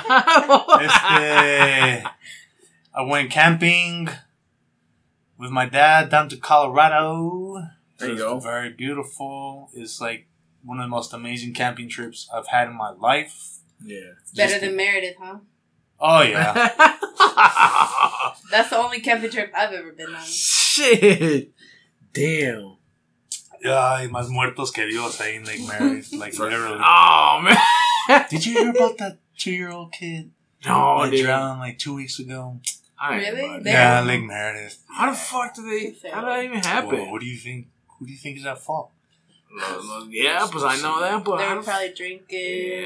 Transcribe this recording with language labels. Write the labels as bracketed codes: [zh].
[en] I went camping with my dad down to Colorado. There you go. Very beautiful. It's like one of the most amazing camping trips I've had in my life. Yeah. Better than Meredith, huh? Oh, yeah. That's the only camping trip I've ever been on. Shit. Damn. [es] Yeah, hay más muertos que Dios ahí en Lake Meredith. [en] Like, literally. Oh, man. Did you hear about that two-year-old kid? No, I did. Drowned like 2 weeks ago. Really? Yeah, Lake Meredith. How the fuck did they... How did that even happen? Whoa, what do you think? Who do you think is at fault? Yeah, because I know that, but... They were probably drinking.